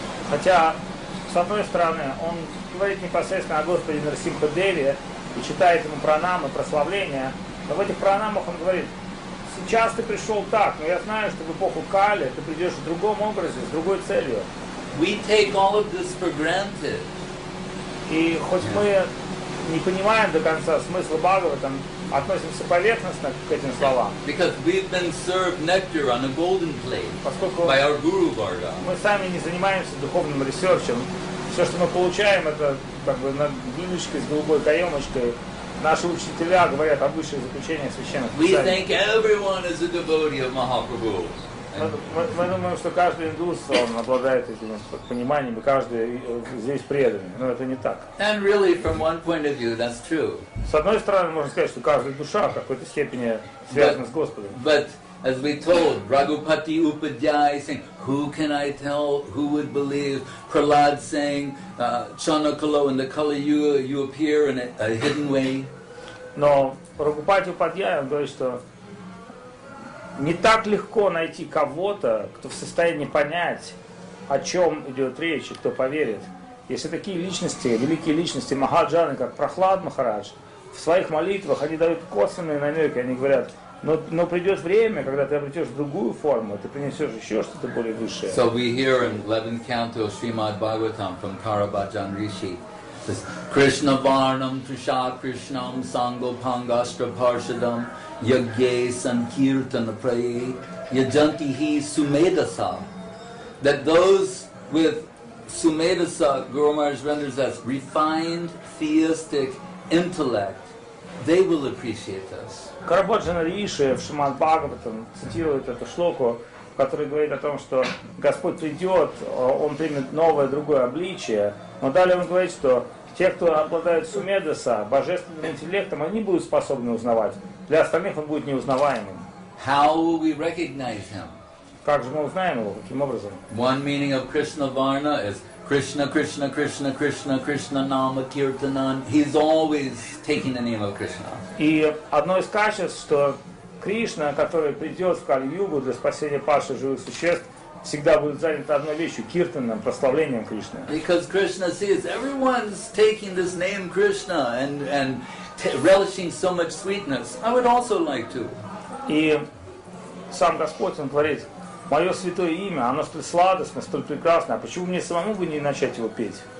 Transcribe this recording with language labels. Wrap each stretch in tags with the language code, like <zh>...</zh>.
<ru>Хотя, с одной стороны, он говорит непосредственно о Господе Нарсимха-деве и читает ему пранамы, прославления, но в этих пранамах он говорит, сейчас ты пришел так, но я знаю, что в эпоху Кали ты придешь в другом образе, с другой целью.</ru> <en>We take all of this for granted.</en> <ru>И хоть мы не понимаем до конца смысла Бхагаватам, относимся поверхностно к этим словам.</ru> <en>Because we've been served nectar on a golden plate.</en> <ru>Поскольку</ru> <en>by our Guru Bhargava.</en> <ru>Мы сами не занимаемся духовным ресерчем. Все, что мы получаем, это как бы на блюдечке с голубой каемочкой. Наши учителя говорят о высших заключениях священных писаний.</ru> <en>We think everyone is a devotee of Mahaprabhu.</en> <ru>Мы думаем, что каждый индус он обладает этим пониманием, и каждый здесь предан. Но это не так.</ru> <en>And really, from one point of view, that's true.</en> <ru>С одной стороны, можно сказать, что каждая душа в какой-то степени связана с Господом.</ru> <en>But as we told, Raghupati Upadhyay saying, who can I tell, who would believe? Prahlad saying, Chanakalo, in the Kali Yuga, you appear in a hidden way.</en> <ru>Но Raghupati Upadhyay, он говорит, что не так легко найти кого-то, кто в состоянии понять, о чем идет речь, и кто поверит. Если такие личности, великие личности, Махаджаны, как Прохлад Махарадж, в своих молитвах они дают косвенные намеки, они говорят, но придет время, когда ты обретешь другую форму, ты принесешь еще что-то более высшее.</ru> <en>So we hear in 11th canto of Srimad Bhagavatam from Tarabhajan Rishi.</en> <sa>Krishna Varnam Trisha Krishnam Sango Pangastra Parshadam Yagye Sankirtana Praye Yajantihi Sumedasa.</sa> <en>That those with Sumedasa, Guru Maharaj renders as refined theistic intellect, they will appreciate us.</en> <ru>Карабоджана Риши в Шримад Бхагаватам цитирует эту шлоку, который говорит о том, что Господь придет, Он примет новое, другое обличие, но далее Он говорит, что те, кто обладает сумедаса, божественным интеллектом, они будут способны узнавать. Для остальных он будет неузнаваемым.</ru> <en>How will we recognize him?</en> <ru>Как же мы узнаем его? Каким образом?</ru> <en>One meaning of Krishna Varna is Krishna, Krishna, Krishna, Krishna, Krishna, Nama, Kirtanan. He's always taking the name of Krishna.</en> <ru>И одно из качеств, что Кришна, который придет в Кали-Югу для спасения Паши живых существ, всегда будет занят одной вещью – киртаном, прославлением Кришны.</ru> <en>Because Krishna sees everyone's taking this name Krishna and relishing so much sweetness. I would also like to.</en> <ru>И сам Господь, Он говорит, «Мое святое имя, оно столь сладостное, столь прекрасное, а почему мне самому бы не начать его петь?»</ru>